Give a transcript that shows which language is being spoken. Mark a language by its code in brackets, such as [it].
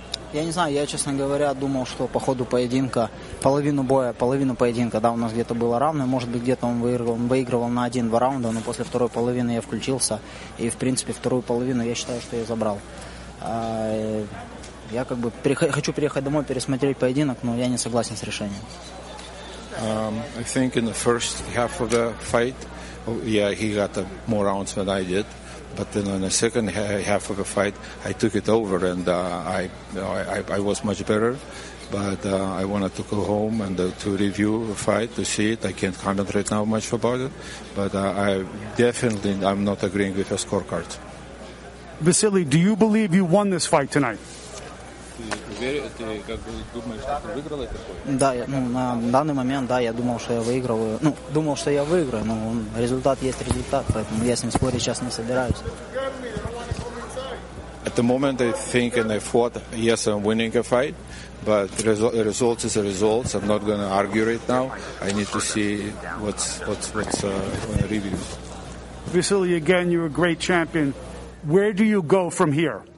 [ru] Я не знаю, я, честно говоря, думал, что по ходу поединка, половину поединка, да, у нас где-то было равное, может быть, где-то он выигрывал на 1-2 раунда, но после второй половины я включился, и, в принципе, вторую половину я считаю, что я забрал. Я как бы хочу приехать домой, пересмотреть поединок, но я не согласен с решением. [en] I think in the first half of the fight, yeah, he got more rounds than I did. But then in the second half of the fight, I took it over, and I was much better. But I wanted to go home and to review the fight, to see it. I can't concentrate now much about it. But I'm not agreeing with your scorecard. Vasily, do you believe you won this fight tonight? [ru] Да, ну на данный момент, да, я думал, что я выигрываю. Ну, думал, что я выиграю, но результат есть результат, поэтому я с ним спорить сейчас не собираюсь. [en] At the moment I think and I fought, yes, I'm winning a fight, but the result is the results. I'm not going to argue right now. I need to see what's on the reviews. Vasily, again, you're a great champion. Where do you go from here?